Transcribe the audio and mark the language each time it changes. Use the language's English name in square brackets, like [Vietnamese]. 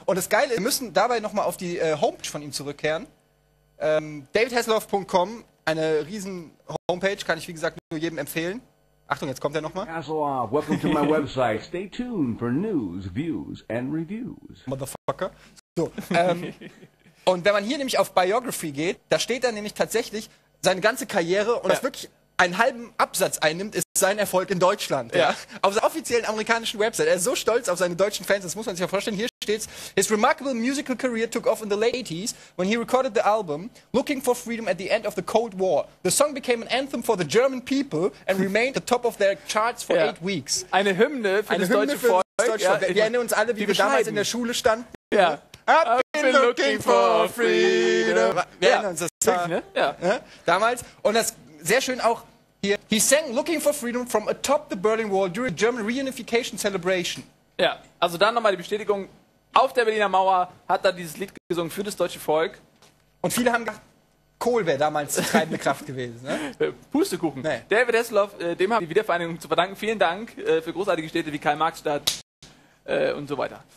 [German] Und das Geile, wir müssen dabei nochmal auf die Homepage von ihm zurückkehren. DavidHasselhoff.com, eine riesen Homepage, kann ich wie gesagt nur jedem empfehlen. Achtung, jetzt kommt er nochmal. [English] Hasselhoff, welcome to my website. Stay tuned for news, views and reviews. Motherfucker. [German] So, und wenn man hier nämlich auf Biography geht, da steht dann nämlich tatsächlich seine ganze Karriere und das wirklich einen halben Absatz einnimmt, ist sein Erfolg in Deutschland. Ja. Ja. Auf seiner offiziellen amerikanischen Website. Er ist so stolz auf seine deutschen Fans, das muss man sich ja vorstellen. Hier steht's: [English] His remarkable musical career took off in the late 80s when he recorded the album Looking for Freedom at the End of the Cold War. The song became an anthem for the German people and remained at the top of their charts for 8 weeks. [German] Eine Hymne für eine das Hymne deutsche für Volk. Das ja, wir erinnern uns alle, wie wir damals in der Schule standen. Ja. [English] I've been looking for freedom. [German] Wir erinnern uns, das war, ne? Damals. Und das sehr schön auch hier. [English] He sang Looking for Freedom from atop the Berlin Wall during German Reunification Celebration. [German] Ja, also da nochmal die Bestätigung. Auf der Berliner Mauer hat er dieses Lied gesungen für das deutsche Volk. Und viele haben gedacht, Kohl wäre damals die treibende Kraft gewesen. Ne? Pustekuchen. Nee. David Hasselhoff, dem haben wir die Wiedervereinigung zu verdanken. Vielen Dank für großartige Städte wie Karl-Marx-Stadt und so weiter.